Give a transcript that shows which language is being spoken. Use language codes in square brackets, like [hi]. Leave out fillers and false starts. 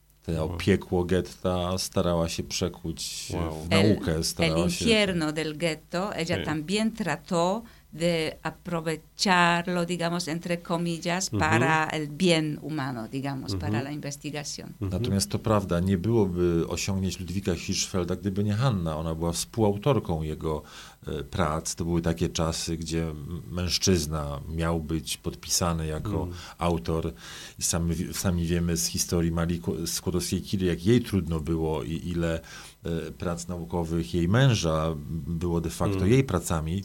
[pl] Te opiekło getta starała się przekuć w naukę. [es] El infierno del ghetto, ella también trató de aprovecharlo, digamos, entre comillas, para el bien humano, digamos, para la investigación. [pl] Natomiast to prawda, nie byłoby osiągnięć Ludwika Hirschfelda, gdyby nie Hanna. Ona była współautorką jego prac. To były takie czasy, gdzie mężczyzna miał być podpisany jako autor. I sami wiemy z historii Marii Skłodowskiej-Curie, jak jej trudno było i ile prac naukowych jej męża było de facto jej pracami.